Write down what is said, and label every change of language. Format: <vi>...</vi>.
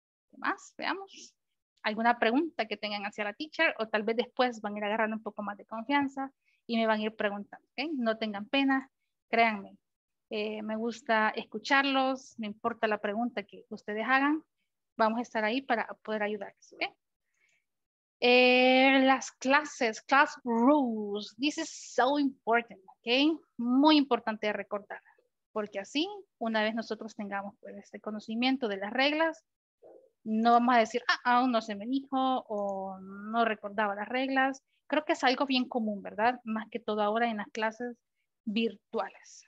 <es>¿Qué más? Veamos. ¿Alguna pregunta que tengan hacia la teacher? O tal vez después van a ir agarrando un poco más de confianza y me van a ir preguntando, ¿ok? No tengan pena, créanme. Me gusta escucharlos, me importa la pregunta que ustedes hagan. Vamos a estar ahí para poder ayudarles, ¿ok? Las clases,</es> <en>class rules, this is so important, okay?</en> <es>Muy importante recordar, porque así, una vez nosotros tengamos pues, este conocimiento de las reglas, no vamos a decir, ah, aún no se me dijo, o no recordaba las reglas. Creo que es algo bien común, ¿verdad? Más que todo ahora en las clases virtuales.</es>